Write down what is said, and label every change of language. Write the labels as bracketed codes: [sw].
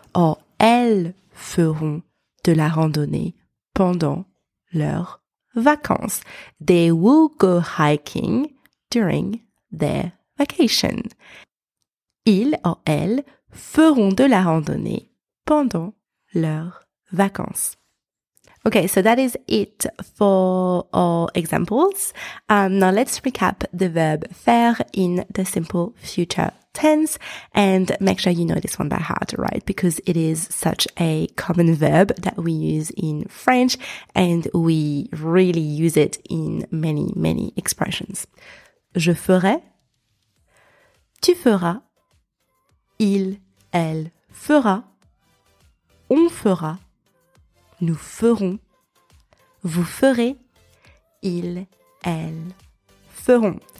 [fr] Or, elles feront de la randonnée pendant leurs vacances. [en] They will go hiking during their vacation. [fr] Ils ou elles feront de la randonnée pendant leurs vacances. [en] Okay, so that is it for our examples. Now let's recap the verb faire in the simple future tense, and make sure you know this one by heart, right? Because it is such a common verb that we use in French, and we really use it in many, many expressions. [fr] Je ferai, tu feras, il, elle fera, on fera, nous ferons, vous ferez, ils, elles feront.